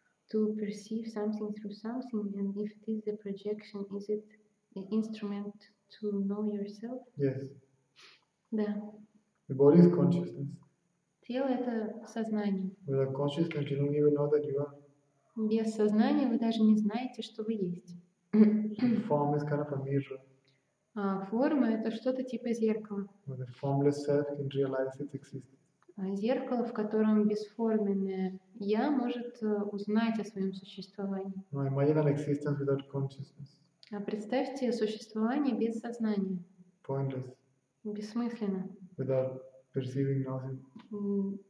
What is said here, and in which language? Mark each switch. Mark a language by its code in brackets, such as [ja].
[en] To perceive something through something, and if it is the projection, is it the instrument to know yourself? Yes. [ru] Да. [en] The body is consciousness. [ru] Тело — это сознание. [en] Without consciousness, you don't even know that you are. [ru] Без сознания вы даже не знаете, что вы есть. [en] Form is kind of a mirror. [ru] А форма — это что-то типа зеркала. [en] Where the formless self can realize its existence. [ru] Зеркало, в котором бесформенное «я» может узнать о своем существовании. [en] No, imagine an existence without consciousness. [ru] А представьте существование без сознания. [en] Pointless. [ru] Бессмысленно. [en] Without perceiving nothing.